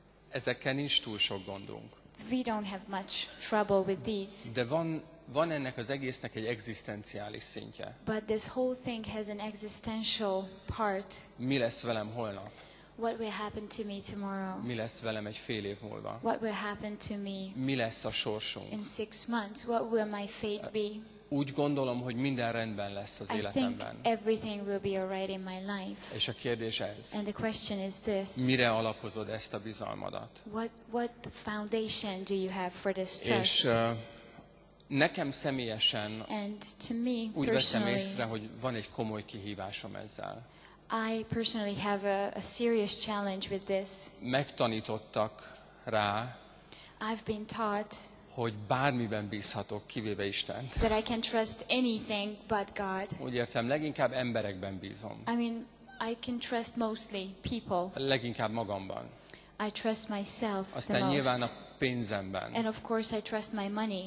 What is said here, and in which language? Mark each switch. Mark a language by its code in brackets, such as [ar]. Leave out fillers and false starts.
[hu] Ezekkel nincs túl sok gondunk. [en] We don't have much trouble with these. [hu] De van ennek az egésznek egy egzisztenciális szintje. [en] But this whole thing has an existential part. [hu] Mi lesz velem holnap? [en] What will happen to me tomorrow? [hu] Mi lesz velem egy fél év múlva? [en] What will happen to me? [hu] Mi lesz a sorsunk? [en] In 6 months, what will my fate be? [hu] Úgy gondolom, hogy minden rendben lesz az életemben. [en] I think everything will be alright in my life. [hu] És a kérdés ez. [en] And the question is this. [hu] Mire alapozod ezt a bizalmadat? [en] What foundation do you have for this trust? [hu] És nekem személyesen úgy veszem észre, hogy van egy komoly kihívásom ezzel. [en] I personally have a serious challenge with this. [hu] Megtanítottak rá. [en] I've been taught. [hu] Hogy bármiben bízhatok, kivéve Istent. [en] That I can trust anything but God. [hu] Úgy értem, leginkább emberekben bízom. [en] I mean, I can trust mostly people. [hu] Leginkább magamban. [en] I trust myself. [hu] Aztán [en] the most. [hu] Nyilván a pénzemben. [en] And of course I trust my money.